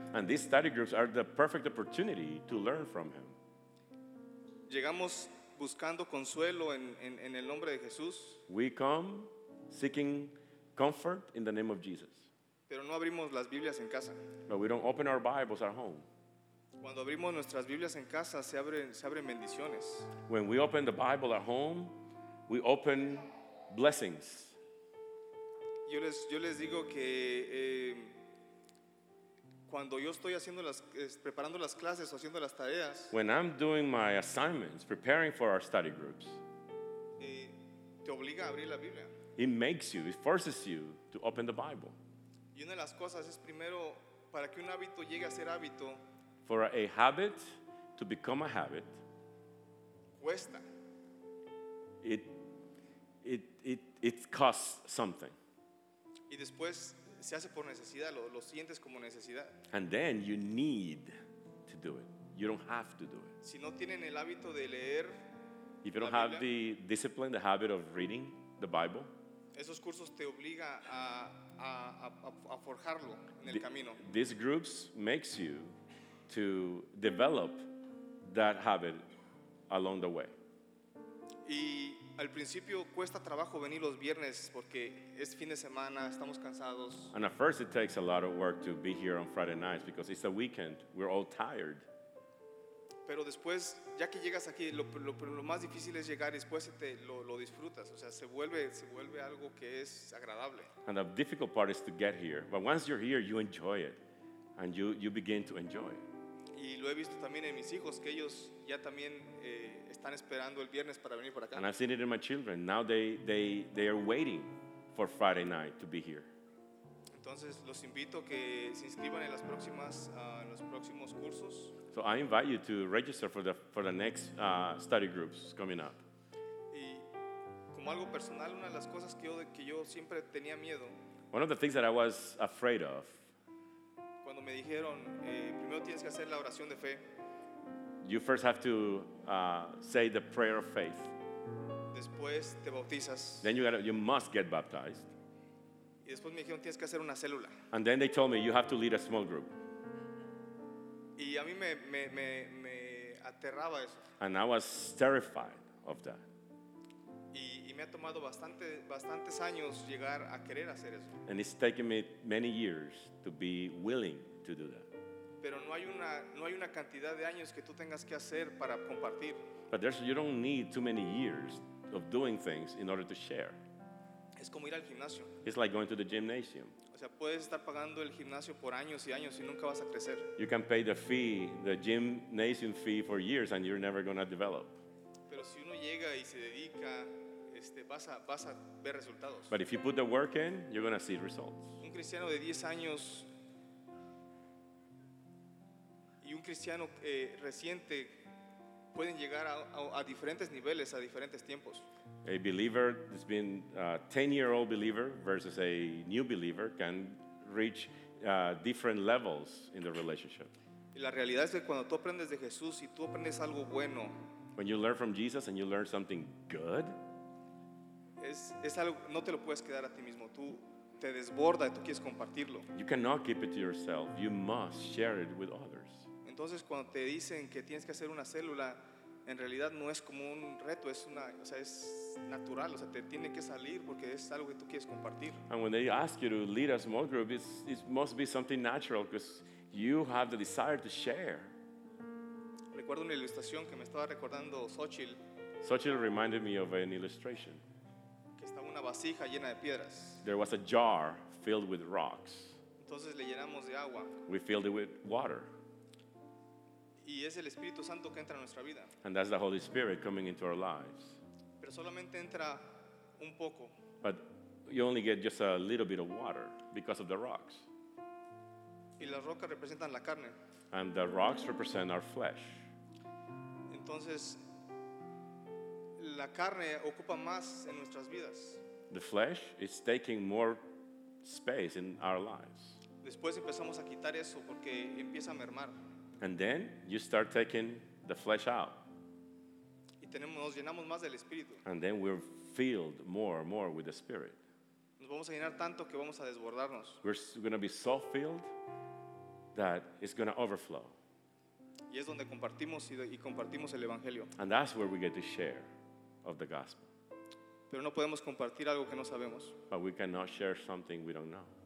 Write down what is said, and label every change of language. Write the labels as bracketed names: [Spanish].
[English] And these study groups are the perfect opportunity to learn from Him. [Spanish] Llegamos buscando consuelo en el nombre de Jesús. [English] We come seeking comfort in the name of Jesus. [Spanish] Pero no abrimos las Biblias en casa. [English] But we don't open our Bibles at home. [Spanish] Cuando abrimos nuestras Biblias en casa, se abren bendiciones. [English] When we open the Bible at home, we open blessings. [Spanish] Yo les digo que cuando yo estoy haciendo preparando las clases o haciendo las tareas, [English] when I'm doing my assignments, preparing for our study groups, [Spanish] te obliga a abrir la Biblia. [English] It makes you, it forces you to open the Bible. [Spanish] Y una de las cosas es primero para que un hábito llegue a ser hábito. [English] For a habit to become a habit, [Spanish] cuesta. [English] It costs something. [Spanish] Y después se hace por necesidad, lo sientes como necesidad. [English] And then you need to do it. You don't have to do it. [Spanish] Si no tienen el hábito de leer, [English] if you don't have the discipline, the habit of reading the Bible, [Spanish] esos cursos te obliga a forjarlo en el camino. [English] These groups makes you to develop that habit along the way. [Spanish] Y al principio cuesta trabajo venir los viernes porque es fin de semana, estamos cansados. [English] And at first it takes a lot of work to be here on Friday nights because it's a weekend, we're all tired. [Spanish] Pero después, ya que llegas aquí, lo más difícil es llegar y después lo disfrutas. O sea, se vuelve algo que es agradable. [English] And the difficult part is to get here. But once you're here, you enjoy it. And you begin to enjoy it. [Spanish] Y lo he visto también en mis hijos, que ellos ya también están esperando el viernes para venir por acá. [English] And I've seen it in my children. Now they are waiting for Friday night to be here. [Spanish] Entonces, los invito que se inscriban en las próximas, en los próximos cursos. [English] So I invite you to register for the next study groups coming up. [Spanish] Y como algo personal, una de las cosas que yo siempre tenía miedo. [English] One of the things that I was afraid of. [Spanish] Cuando me dijeron, primero tienes que hacer la oración de fe. [English] You first have to say the prayer of faith. [Spanish] Después te bautizas. [English] Then you must get baptized. [Spanish] Y después me dijeron, tienes que hacer una célula. [English] And then they told me, you have to lead a small group. [Spanish] Y a mí me aterraba eso. [English] And I was terrified of that. [Spanish] Y me ha tomado bastantes años llegar a querer hacer eso. [English] And it's taken me many years to be willing to do that. [Spanish] Pero no hay una cantidad de años que tú tengas que hacer para compartir. [English] But you don't need too many years of doing things in order to share. [Spanish] Es como ir al gimnasio. [English] It's like going to the gymnasium. [Spanish] O sea, puedes estar pagando el gimnasio por años y años y nunca vas a crecer. [English] You can pay the gymnasium fee for years and you're never going to develop. [Spanish] Pero si uno llega y se dedica, vas a ver resultados. [English] But if you put the work in, you're going to see results. [Spanish] Un cristiano de 10 años y un cristiano reciente pueden llegar a diferentes niveles, a diferentes tiempos. [English] A believer that's been a 10-year-old believer versus a new believer can reach different levels in the relationship. [Spanish] Y la realidad es que cuando tú aprendes de Jesús y tú aprendes algo bueno, [English] when you learn from Jesus and you learn something good, [Spanish] es algo, no te lo puedes quedar a ti mismo, tú te desborda y tú quieres compartirlo. [English] You cannot keep it to yourself. You must share it with others. [Spanish] Entonces, cuando te dicen que tienes que hacer una célula, en realidad no es como un reto, es una, o sea, es natural, o sea, te tiene que salir porque es algo que tú quieres compartir. [English] And when they ask you to lead a small group, it must be something natural because you have the desire to share. [Spanish] Recuerdo una ilustración que me estaba recordando Xochitl. [English] Xochitl reminded me of an illustration. [Spanish] Que estaba una vasija llena de piedras. [English] There was a jar filled with rocks. [Spanish] Entonces le llenamos de agua. [English] We filled it with water. [Spanish] Y es el Espíritu Santo que entra en nuestra vida. [English] And that's the Holy Spirit coming into our lives. [Spanish] Pero solamente entra un poco. [English] But you only get just a little bit of water because of the rocks. [Spanish] Y las rocas representan la carne. [English] And the rocks represent our flesh. [Spanish] Entonces, la carne ocupa más en nuestras vidas. [English] The flesh is taking more space in our lives. [Spanish] Después empezamos a quitar eso porque empieza a mermar. [English] And then you start taking the flesh out. [Spanish] Y tenemos, nos llenamos más del Espíritu. [English] And then we're filled more and more with the Spirit. [Spanish] Nos vamos a llenar tanto que vamos a desbordarnos. [English] We're going to be so filled that it's going to overflow. [Spanish] Y es donde compartimos y compartimos el Evangelio. [English] And that's where we get to share of the gospel. [Spanish] Pero no podemos compartir algo que no sabemos. [English] But we cannot share something we don't know.